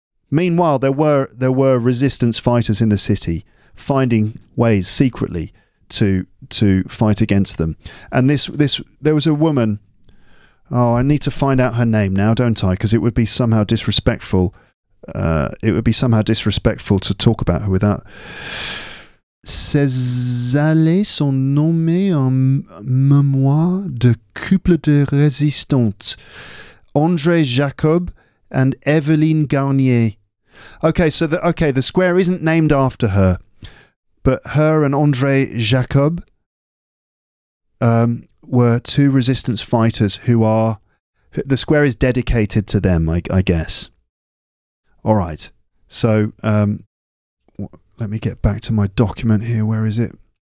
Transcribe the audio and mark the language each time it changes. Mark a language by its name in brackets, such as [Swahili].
[English] Meanwhile, there were resistance fighters in the city finding ways secretly to fight against them. And this there was a woman. Oh, I need to find out her name now, don't I? Because it would be somehow disrespectful. It would be somehow disrespectful to talk about her without. [French] Ces allées sont nommées en mémoire de couple de résistants, André Jacob and Evelyne Garnier. [English] Okay, so the square isn't named after her, but her and André Jacob were two resistance fighters who are... The square is dedicated to them, I guess. All right, so let me get back to my document here. Where is it?